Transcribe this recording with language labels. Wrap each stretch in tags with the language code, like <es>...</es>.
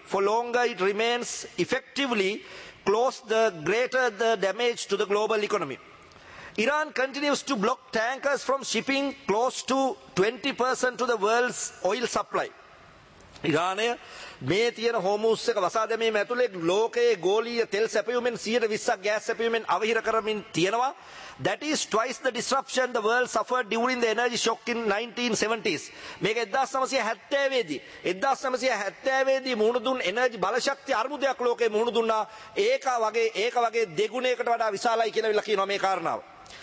<en>For longer it remains effectively close the greater the damage to the global economy. Iran continues to block tankers from shipping close to 20% to the world's oil supply.</en> <si>Iran මේ තියෙන හොමුස් එක වසා දැමීම ඇතුලේ ලෝකයේ ගෝලීය තෙල් සැපයුමෙන් 120ක් gas සැපයුමෙන් අවහිර කරමින් තියෙනවා.</si> <en>That is twice the disruption the world suffered during the energy shock in 1970s.</en> <si>මේක 1970 දී මුහුණ දුන් එනර්ජි බලශක්ති අර්බුදයක් ලෝකයේ මුහුණ දුන්නා. ඒක වගේ දෙගුණයකට වඩා විශාලයි කියලා කියනවා මේ කාරණාව.</si>